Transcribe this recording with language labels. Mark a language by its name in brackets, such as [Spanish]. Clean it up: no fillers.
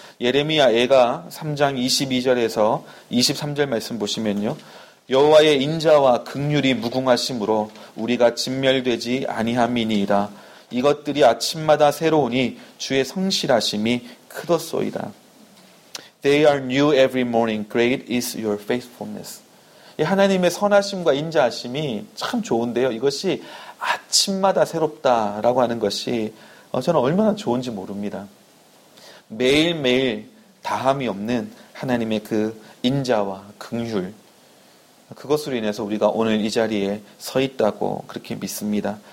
[Korean] 예레미야 애가 3장 22절에서 23절 말씀 보시면요. 여호와의 인자와 긍휼이 무궁하심으로 우리가 진멸되지 아니함이니이다. 이것들이 아침마다 새로우니 주의 성실하심이 크도소이다. [English] They are new every morning. Great is your faithfulness. [Korean] 이 하나님의 선하심과 인자하심이 참 좋은데요. 이것이 아침마다 새롭다라고 하는 것이 저는 얼마나 좋은지 모릅니다. 매일매일 다함이 없는 하나님의 그 인자와 긍휼 그것으로 인해서 우리가 오늘 이 자리에 서 있다고 그렇게 믿습니다.